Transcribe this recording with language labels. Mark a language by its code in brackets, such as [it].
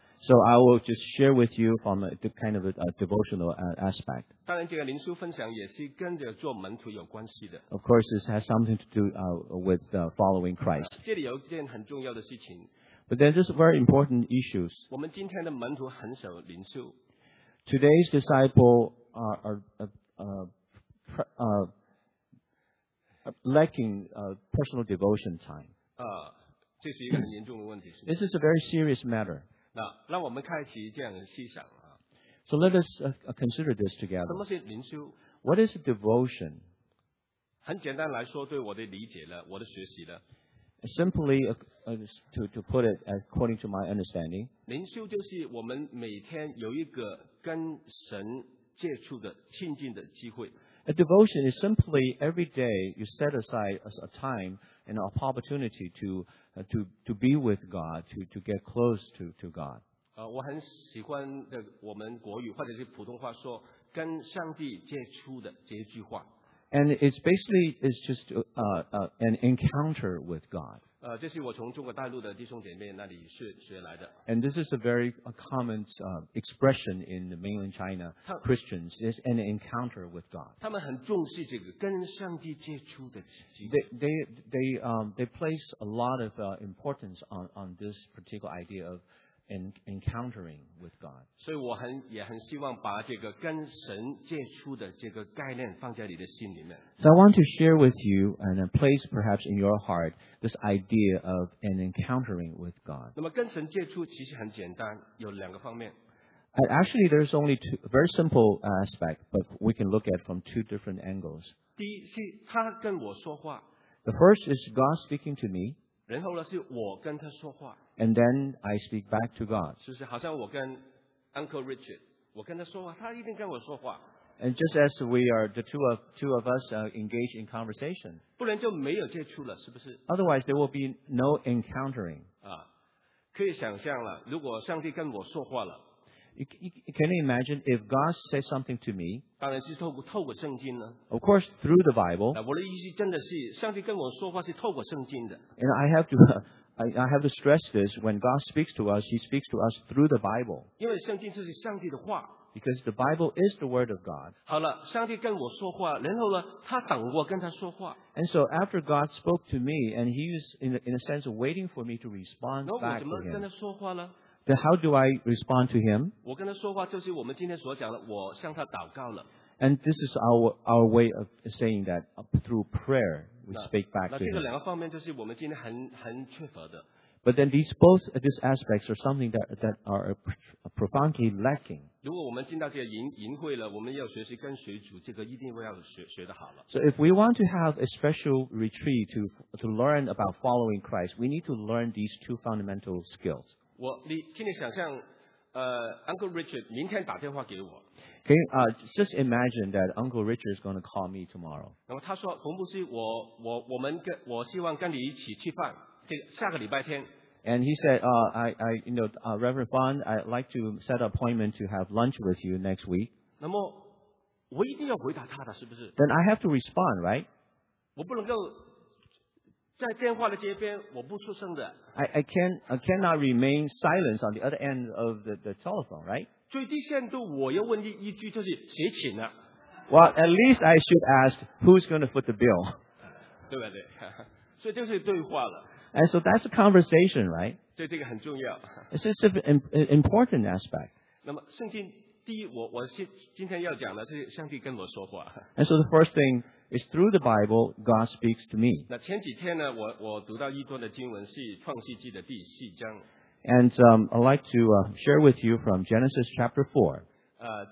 [en] So I will just share with you from the kind of a devotional aspect. [zh] 当然，这个灵修分享也是跟着做门徒有关系的。 [en] Of course, this has something to do with following Christ. [zh] 这里有一件很重要的事情。 [en] But then, this is very important issues. [zh] 我们今天的门徒很少灵修。 [en] Today's disciple are lacking personal devotion time. [zh] 这是一个很严重的问题。 [en] This is a very serious matter. [zh] 让我们开启这样的思想啊。 [en] So let us consider this together. [zh] 什么是灵修 [en] ？What is devotion？ [zh] 很简单来说，对我的理解了，我的学习了。 [en] Simply to put it according to my understanding， [zh] 灵修就是我们每天有一个跟神接触的亲近的机会。 [en] A devotion is simply every day you set aside a time and an opportunity to be with God, to get close to God. [zh] 我很喜欢的我们国语或者是普通话说跟上帝接触的这一句话。 [en] And it's just an encounter with God. [zh] 这是我从中国大陆的弟兄姐妹那里学来的。 [en] And this is a very common expression in the mainland China Christians. It's an encounter with God. [zh] 他们很重视这个跟上帝接触的机会。 [en] They place a lot of importance on this particular idea of encountering with God. [zh] 所以我也很希望把这个跟神接触的这个概念放在你的心里面。 [en] So I want to share with you and place perhaps in your heart this idea of an encountering with God. [zh] 那么跟神接触其实很简单，有两个方面。 [en] Actually, there's only two very simple aspect, but we can look at from two different angles. [zh] 第一是他跟我说话。 [en] The first is God speaking to me. [zh] 然后呢是我跟他说话。 [en] And then I speak back to God. [zh] 就是好像我跟 Uncle Richard， 我跟他说话，他一定跟我说话。 [en] And just as we are the two of us engaged in conversation， [zh] 不然就没有接触了，是不是 [en] ？Otherwise there will be no encountering. [zh] 可以想象了，如果上帝跟我说话了 [en] ，You can imagine if God says something to me. [zh] 当然是透过圣经了。 [en] Of course through the Bible. [zh] 我的意思真的是，上帝跟我说话是透过圣经的。 [en] And I have to stress this, when God speaks to us, He speaks to us through the Bible. [zh] 因为圣经就是上帝的话。 [en] Because the Bible is the Word of God. [zh] 好了，上帝跟我说话，然后呢，他等我跟他说话。 [en] And so after God spoke to me, and He is in a sense of waiting for me to respond back to Him. [zh] 那我怎么跟他说话呢？ [en] Then how do I respond to Him? [zh] 我跟他说话就是我们今天所讲的，我向他祷告了。 [en] And this is our way of saying that through prayer we speak back to him. [zh] 那这个两个方面就是我们今天很缺乏的。 [en] But then these aspects are something that are profoundly lacking. [zh] 如果我们进到这个营会了，我们要学习跟随主，这个一定要学得好了。 [en] So if we want to have a special retreat to learn about following Christ, we need to learn these two fundamental skills. [zh] 请你想象。Uncle Richard 明天打电话给我。 [en] Just imagine that Uncle Richard is going to call me tomorrow. [zh] 那么他说，洪牧师，我希望跟你一起吃饭，这个、下个礼拜天。 [en] And he said, Reverend Fan, I'd like to set an appointment to have lunch with you next week. [zh] 那么我一定要回答他的，是不是 [en] ？Then I have to respond, right? [zh] 我不能够。在电话的这边，我不出声的。 [en] I cannot remain silent on the other end of the telephone, right? [zh] 最低限度，我要问一句，就是谁请的。 [en] Well, at least I should ask who's going to foot the bill. [zh] 对不对？所以就是对话了。 [en] And so that's a conversation, right? [zh] 所以这个很重要。 [en] It's an important aspect. [zh] 那么圣经。第一，我今天要讲的是上帝跟我说话。 [en] And so the first thing is through the Bible, God speaks to me. [zh] 那前几天呢，我读到一段的经文是创世纪的第四章。 [en] And I'd like to share with you from Genesis chapter 4.